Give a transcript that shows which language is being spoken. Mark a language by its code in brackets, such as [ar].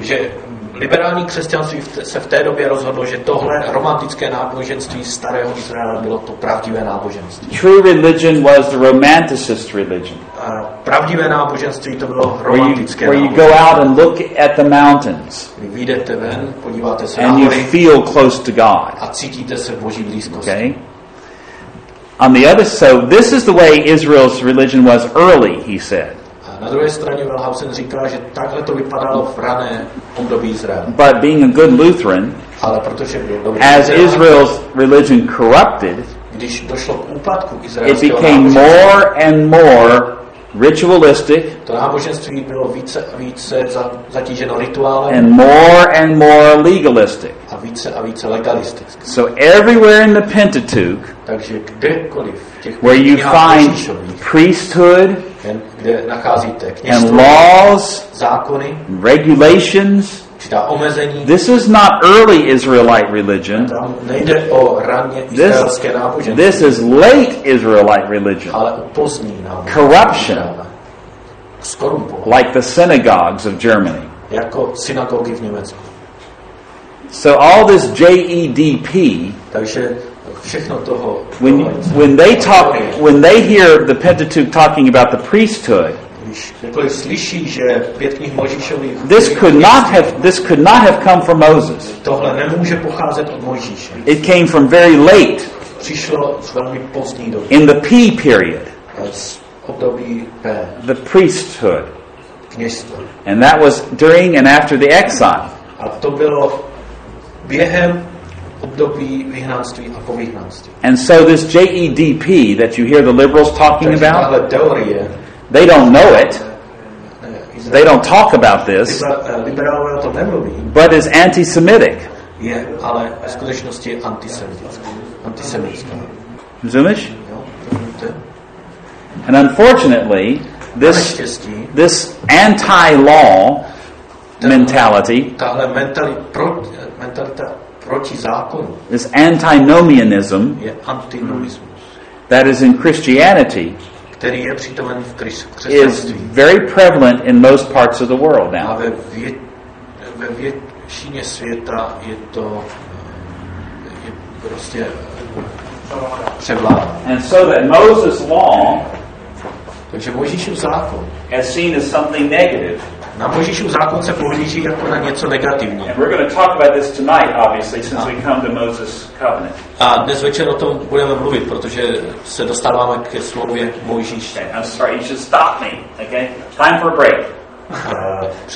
[cs] Že liberální křesťanství se v té době rozhodlo, že tohle romantické náboženství starého Izraela bylo to pravdivé náboženství. [en] True religion was the romanticist religion. [cs] Pravdivé náboženství to bylo romantické. [en] Where you go out and look at the mountains. [cs] Vy vyjdete ven, podíváte se na hory. [en] And you feel close to God. [cs] A cítíte se v Boží blízkosti. [en] Okay. On the other, so this is the way Israel's religion was early, he said. [cs] Na druhé straně Wellhausen říká, že takhle to vypadalo v rané období Izraela. [en] But being a good Lutheran, [cs] ale protože byl dobrý, [en] as Israel's religion corrupted, [cs] když došlo k úpadku izraelského, [en] it became more and more ritualistic, [cs] to náboženství bylo více a více zatíženo rituálem, [en] and more legalistic, [cs] a více legalistické. [en] So everywhere in the Pentateuch, [cs] takže kdekoliv v těch, [en] where you find priesthood, [cs] kde nacházíte kněžství, [en] and laws, [cs] zákony, [en] regulations, [cs] ta omezení, [en] this is not early Israelite religion. [cs] Nejde o raně izraelské náboženství. [en] This is late Israelite religion. [cs] Ale pozdní náboženství. [en] Corruption. [cs] Skorumpování. [en] Like the synagogues of Germany. [cs] Jako synagogy v Německu. [en] So all this JEDP, [cs] takže všechno toho, [en] when they talk, when they hear the Pentateuch talking about the priesthood, [cs] slyší, že pět knih Mojžíšových, [en] this could not have come from Moses. [cs] Tohle nemůže pocházet od Mojžíše. [en] It came from very late. [cs] Přišlo z velmi pozdní doby. [en] In the P period. [cs] Z období P. [en] The priesthood. [cs] Kněžstvo. [en] And that was during and after the exile. [cs] A to bylo během období vyhnanství a po vyhnanství. [en] And so this JEDP that you hear the liberals talking about, [cs] tahle teorie, [en] they don't know it. They don't talk about this. [cs] Liberálové o tom nemluví. [en] But it's anti-Semitic. [cs] Je, ale ve skutečnosti je antisemitická. Rozumíš? Jo. [en] And unfortunately, this anti-law mentality, [cs] tahle mentalita proti zákonu, [en] this antinomianism, [cs] je antinomismus, [en] that is in Christianity, [cs] který je přítomen v křesťanství, [en] is very prevalent in most parts of the world now. [cs] A ve většině světa je to je prostě převládá. [en] And so that Moses' law, [cs] takže Mojžíšův zákon, [en] as seen as something negative. [cs] Na Mojžíšův zákon se pohlíží jako na něco negativního. [en] And we're going to talk about this tonight, obviously, since we come to Moses' covenant. [cs] A dnes večer o tom budeme mluvit, protože se dostáváme ke slovu jak Mojžíš. [en] Okay, I'm sorry, you should stop me, okay? Time for a break.